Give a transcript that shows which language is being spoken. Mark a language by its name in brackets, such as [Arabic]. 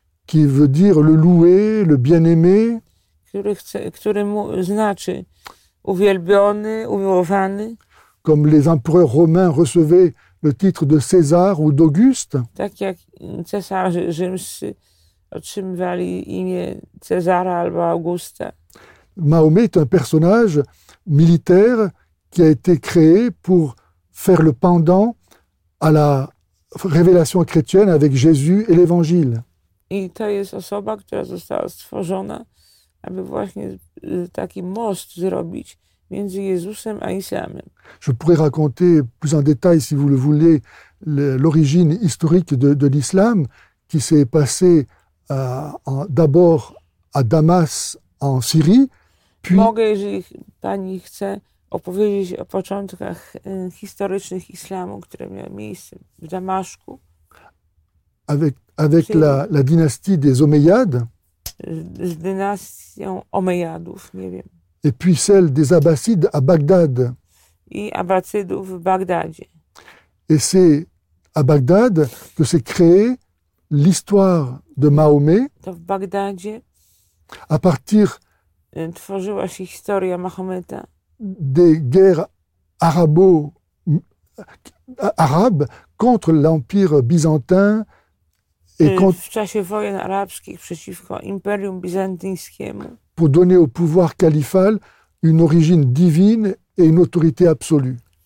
[French] qui veut dire le loué, le bien-aimé. [Polish] Który znaczy uwielbiony, umiłowany. [French] Comme les empereurs romains recevaient le titre de César ou d'Auguste. [Polish] Tak jak cesarzy rzymscy otrzymywali imię Cezara albo Augusta. [French] Mahomet est un personnage militaire qui a été créé pour faire le pendant à la révélation chrétienne avec Jésus et l'Évangile. [Polish] I to jest osoba, która została stworzona, aby właśnie taki most zrobić między Jezusem a Islamem. [French] Je pourrais raconter plus en détail, si vous le voulez, l'origine historique de l'islam qui s'est passé d'abord à Damas en Syrie. Puis, [Polish] mogę, jeżeli pani chce, opowiedzieć o początkach historycznych islamu, które miały miejsce w Damaszku. [French] Avec la dynastie des Omeyyades. [Polish] Z dynastią Omeyyadów, nie wiem. [French] Et puis celle des Abbasides à Bagdad. [Polish] I Abbasidów w Bagdadzie. [French] Et c'est à Bagdad que s'est créée l'histoire de Mahomet. [Polish] To w Bagdadzie. [French] À partir [Polish] tworzyła się historia Mahometa. [French] Des guerres arabes contre l'Empire byzantin et contre, [Polish] w czasie wojen arabskich przeciwko Imperium Bizantyńskiemu. [French] Pour donner au pouvoir califal une origine divine et une autorité absolue.